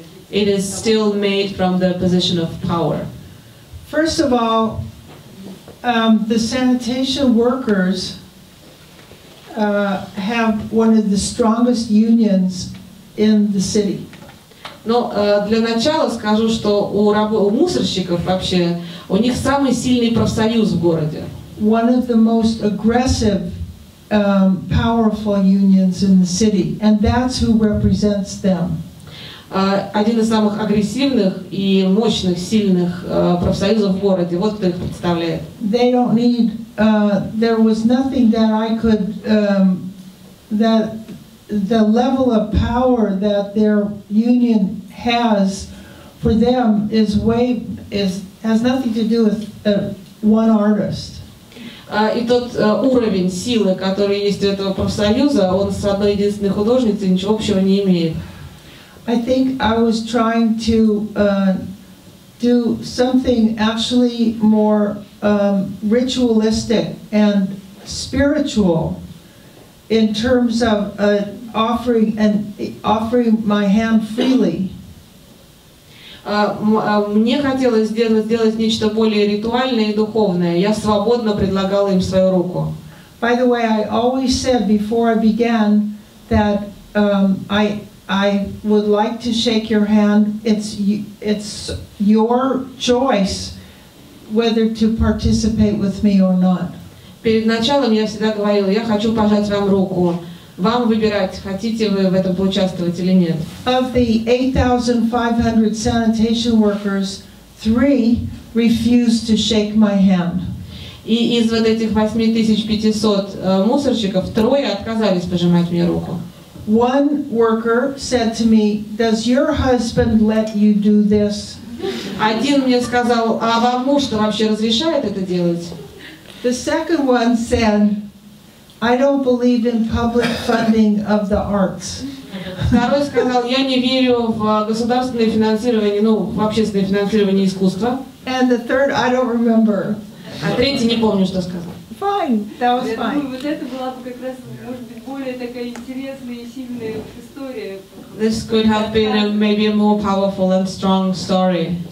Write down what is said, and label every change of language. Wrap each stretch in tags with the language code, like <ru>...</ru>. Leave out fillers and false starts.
<en>It is still made from the position of power. First of all, the sanitation workers have one of the strongest unions in the city.</en> <ru>Но для начала скажу, что у мусорщиков вообще у них самый сильный профсоюз в городе.</ru> <en>One of the most aggressive, powerful unions in the city, and that's who represents them.</en> <ru>Один из самых агрессивных и мощных, сильных профсоюзов в городе. Вот кто их представляет.</ru> <en>They don't need. There was nothing that I could that the level of power that their union has for them is way is has nothing to do with one artist.</en> <ru>И тот уровень силы, который есть у этого профсоюза, он с одной единственной художницей ничего общего не имеет.</ru> <en>I think I was trying to do something actually more ritualistic and spiritual in terms of offering my hand freely.</en> <ru>Мне хотелось сделать нечто более ритуальное и духовное. Я свободно предлагала им свою руку.</ru> <en>By the way, I always said before I began that I would like to shake your hand. It's your choice whether to participate with me or not.</en> <ru>Перед началом я всегда говорила, я хочу пожать вам руку. Вам выбирать, хотите вы в этом поучаствовать или нет.</ru> <en>Of the 8,500 sanitation workers, 3 refused to shake my hand.</en> <ru>И из вот этих 8,500 мусорщиков, 3 отказались пожимать мне руку.</ru> <en>One worker said to me, "Does your husband let you do this?"</en> <ru>Один мне сказал, а вам муж что вообще разрешает это делать?</ru> <en>The second one said, "I don't believe in public funding of the arts."</en> <ru>Второй сказал, я не верю в государственное финансирование, ну, в общественное финансирование искусства.</ru> <en>And the third, I don't remember.</en> <ru>А третий не помню, что сказал.</ru> <en>Fine, that was fine.</en> <ru>Вот это была бы как раз, может быть, более такая интересная и сильная история.</ru> <en>This could have been a, maybe a more powerful and strong story.</en>